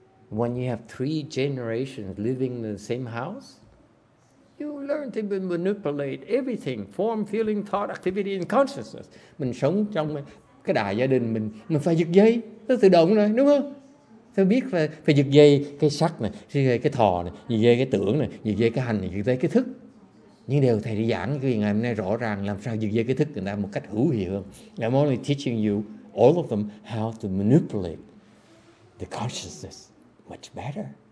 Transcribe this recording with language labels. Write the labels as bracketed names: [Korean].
[English] When you have three generations living in the same house, you learn to manipulate everything, form, feeling, thought, activity, and consciousness. [Vietnamese] Mình sống trong cái đại gia đình mình phải giật dây, nó tự động rồi, đúng không? Tôi biết phải giật dây cái sắc này, giật dây cái thọ này, giật dây cái tưởng này, giật dây cái hành này, giật dây cái thức. Những điều thầy đã giảng cái ngày hôm nay rõ ràng làm sao giật dây cái thức người ta một cách hữu hiệu hơn. [English] I'm only teaching you all of them how to manipulate the consciousness much better.